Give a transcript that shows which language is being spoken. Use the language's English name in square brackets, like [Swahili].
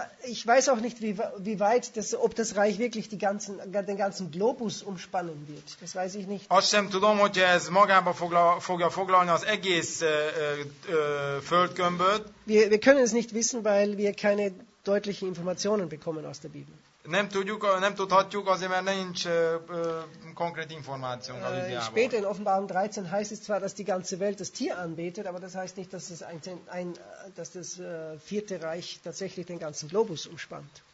[German] Ich weiß auch nicht, wie weit ob das Reich wirklich den ganzen Globus umspannen wird. Das weiß ich nicht. [Hungarian] Azt sem tudom, hogy ez magába fogja foglalni az egész földgömböt. [German] Wir können es nicht wissen, weil wir keine deutlichen Informationen bekommen aus der Bibel. [Hungarian] Nem tudhatjuk, azért mert nincs konkrét információnk a Bibliából. [German] Später in Offenbarung 13 heißt es zwar, dass die ganze Welt das Tier anbetet, aber das heißt nicht, dass das vierte Reich tatsächlich den ganzen Globus umspannt.